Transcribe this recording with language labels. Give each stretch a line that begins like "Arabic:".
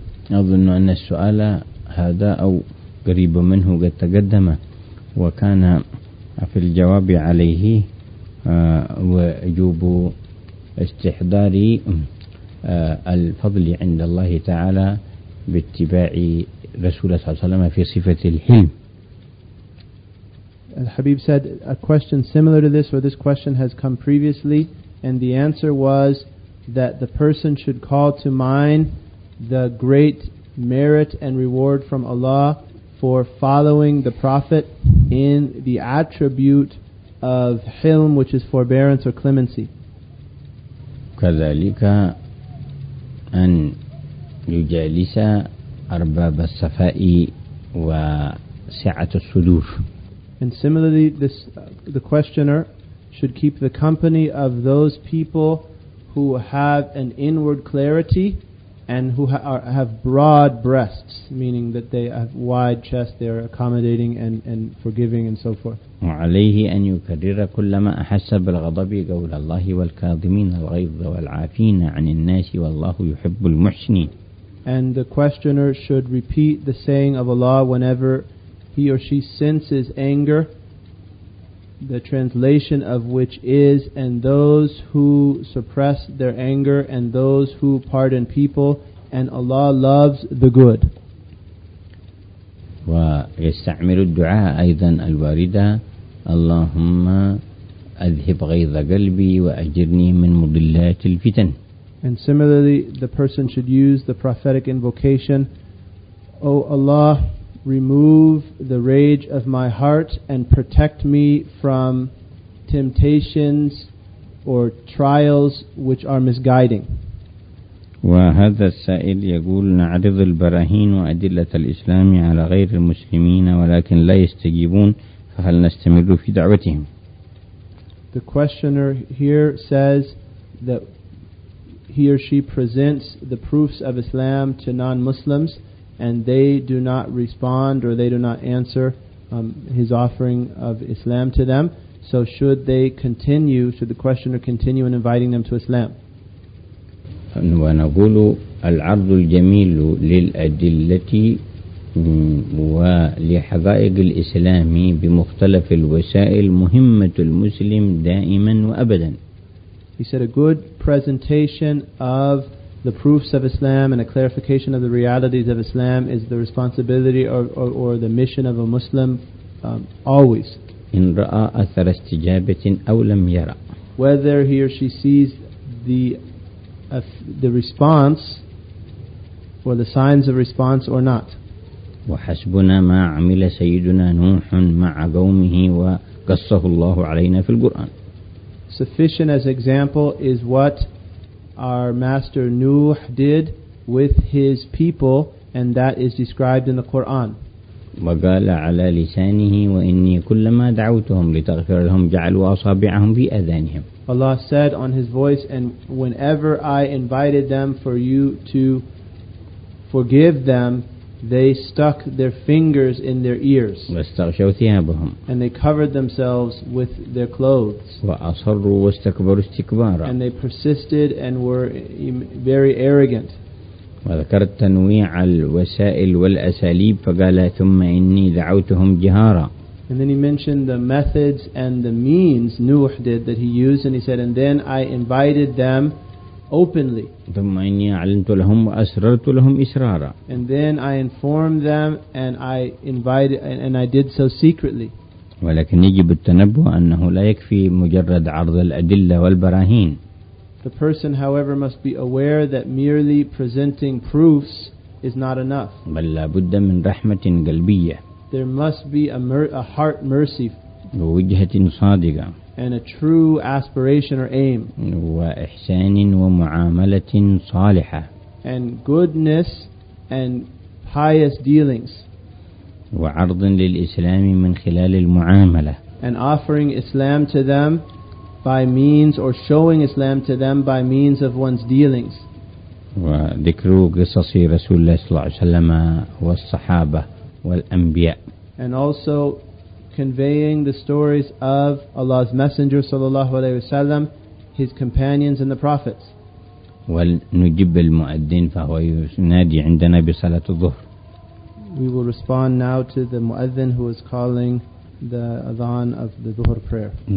Arabic: أظن أن السؤال هذا أو قريب منه قد تقدم وكان في الجواب عليه وجوب استحضار الفضل عند الله تعالى باتباع رسول صلى الله عليه وسلم في صفة الحلم.
English: Al-Habib said a question similar to this, or this question has come previously, and the answer was that the person should call to mind the great merit and reward from Allah for following the Prophet in the attribute of hilm, which is forbearance or clemency.
Arabic: كذلك أن يجالس أرباب الصفاء وسعة الصدور.
English: And similarly, the questioner should keep the company of those people who have an inward clarity and who have broad breasts, meaning that they have wide chest, they are accommodating and forgiving and so forth.
Arabic: وعليه أن يكرر كلما أحس بالغضب قول الله والكاظمين الغيظ والعافين عن الناس والله يحب المحسنين.
English: And the questioner should repeat the saying of Allah whenever he or she senses anger, the translation of which is, and those who suppress their anger and those who pardon people, and Allah loves the good.
Arabic: ويستعمل الدعاء أيضا الواردة اللهم أذهب غيظ قلبي وأجرني من مضلات الفتن.
English: And similarly, the person should use the prophetic invocation, O Allah, remove the rage of my heart and protect me from temptations or trials which are misguiding.
Arabic: وهذا السائل يقول نعرض البراهين وأدلة الإسلام على غير المسلمين ولكن لا يستجيبون فهل نستمر في دعوتهم؟
English: The questioner here says that he or she presents the proofs of Islam to non-Muslims and they do not respond or they do not answer his offering of Islam to them. So should they continue, should the questioner continue in inviting them to Islam?
Arabic: ونقول العرض الجميل للأدلة ولحقائق الإسلام بمختلف الوسائل مهمة المسلم دائما وأبدا.
English: He said a good presentation of the proofs of Islam and a clarification of the realities of Islam is the responsibility or the mission of a Muslim always.
Arabic: إن رأى أثر استجابة أو لم يرى.
English: Whether he or she sees the response or the signs of response or not.
Arabic: وحسبنا ما عمل سيدنا نوح مع قومه وقصه الله علينا في القرآن.
English: Sufficient as example is what our master Nuh did with his people, and that is described in the Quran.
Arabic: وقال على لسانه وإني كلما دعوتهم لتغفر لهم جعلوا أصابعهم في أذانهم.
English: Allah said on his voice, and whenever I invited them for you to forgive them, they stuck their fingers in their ears.
Arabic: واستغشوا ثيابهم.
English: And they covered themselves with their clothes.
Arabic: وأصروا واستكبروا استكبارا.
English: And they persisted and were very arrogant.
Arabic: وذكر التنويع الوسائل والأساليب فقال ثم إني دعوتهم جهارا.
English: And then he mentioned the methods and the means Nuh did that he used, and he said, and then I invited them openly.
Arabic: ثم إني أعلنت لهم وأسررت لهم إسرارا.
English: And then I informed them and I invited and I did so secretly.
Arabic: ولكن يجب التنبه أنه لا يكفي مجرد عرض الأدلة والبراهين.
English: The person, however, must be aware that merely presenting proofs is not enough.
Arabic: بل لابد من رحمة قلبية.
English: There must be a heart mercy.
Arabic: ووجهة صادقة.
English: And a true aspiration or aim.
Arabic: وإحسان ومعاملة صالحة.
English: And goodness and pious dealings.
Arabic: وعرض للإسلام من خلال المعاملة.
English: And offering Islam to them by means, or showing Islam to them by means of one's dealings.
Arabic: وذكر قصص رسول الله صلى الله عليه وسلم والصحابة والأنبياء.
English: And also conveying the stories of Allah's Messenger
Arabic: صلى الله عليه وسلم,
English: his companions and the prophets.
Arabic: ونجب المؤذن فهو ينادي عندنا بصلاة الظهر.
English: We will respond now to the muadhin who is calling the adhan of the dhuhr prayer.